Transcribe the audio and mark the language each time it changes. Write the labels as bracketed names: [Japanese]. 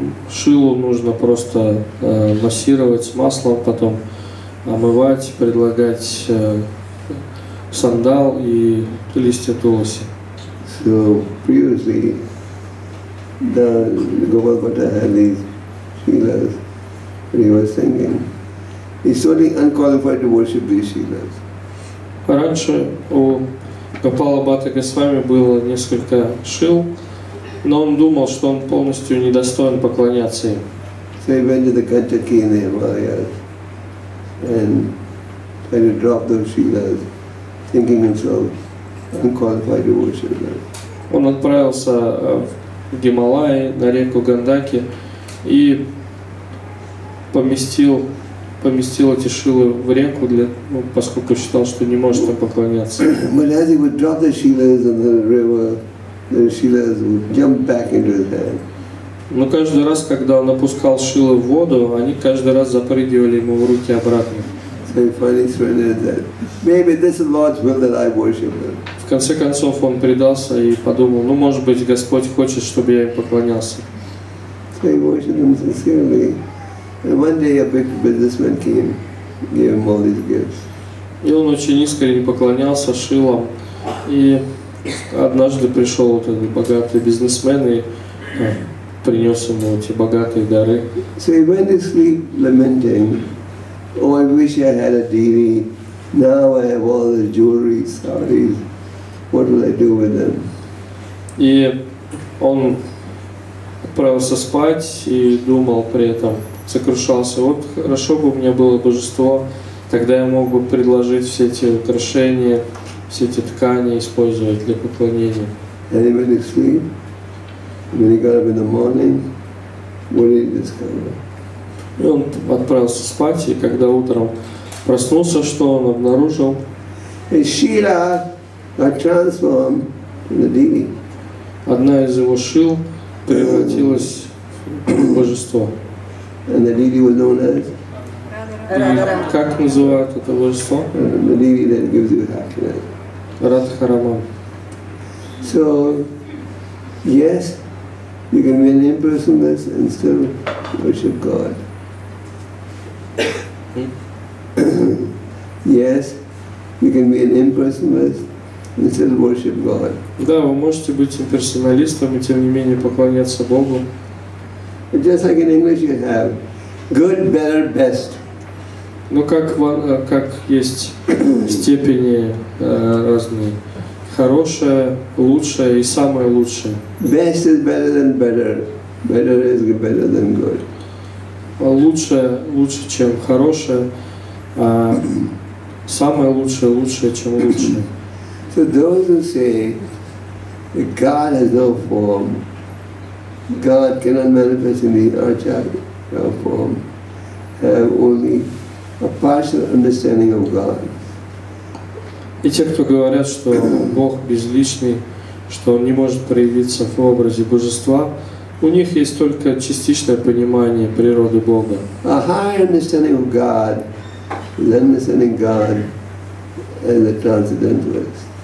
[Russian] Шилу нужно просто массировать маслом, потом омывать, предлагать сандал и листья туласи. [English] So previously the Gopalpata had these shilas when he was singing. He's totally unqualified to worship these shilas. [Russian] Раньше у Гопалабхаты Госвами было несколько шил, но он думал, что он полностью недостоин поклоняться им. [English] So he went to the Kanchaki in the Himalayas and tried to drop those shilas, thinking himself unqualified to worship them. [Russian] Он отправился в Гималаи на реку Гандаки и поместил эти шилы в реку, поскольку считал, что не может им поклоняться. [English] But as he would drop the shilas in the river, the shilas would jump back into his hand. [Russian] Но каждый раз, когда он опускал шилы в воду, они каждый раз запрыгивали ему в руки обратно. [English] So he finally surrendered that. Maybe this is Lord's will that I worship him. [Russian] В конце концов он предался и подумал, ну может быть Господь хочет, чтобы я им поклонялся. [English] So he worshiped him sincerely. And one day a big businessman came, gave him all these gifts. [Russian] И он очень искренне поклонялся шилам. И однажды пришел вот этот богатый бизнесмен и принес ему эти богатые дары. [English] So he went to sleep lamenting. Oh, I wish I had a deity. Now I have all the jewelry, saris. What will I do with them? [Russian] И он отправился спать и думал при этом, сокрушался. Вот хорошо бы у меня было божество, тогда я мог бы предложить все эти украшения, все эти ткани использовать для поклонения. [English] And he went to sleep. When he got up in the morning, what did he discover? [Russian] И он отправился спать, и когда утром проснулся, что он обнаружил? [English] His shila got transformed in the deity. [Russian] Одна из его шил превратилась в божество. [English] And the deity was known as? [Russian] И как называют это божество? [English] The deity that gives you happiness. [Russian] Радхараман. [English] So, yes, you can be an impersonalist and still worship God. Yes, you can be an impersonalist and still worship God. [Russian] Да, вы можете быть имперсоналистом и тем не менее поклоняться Богу. [English] Just like in English, you have good, better, best. [Russian] Ну как есть степени разные: хорошее, лучшее и самое лучшее. [English] Best is better than better. Better is better than good. [Russian] Лучше, чем хорошее. Самое лучшее, лучшее, чем лучшее. [English] So those who say that God has no form, God cannot manifest in the acharya form, have only a partial understanding of God. [Russian] И те, кто говорят, что Бог безличный, что Он не может проявиться в образе Божества, у них есть только частичное понимание природы Бога. [English] A high understanding of God. Understanding God as a transcendentalist.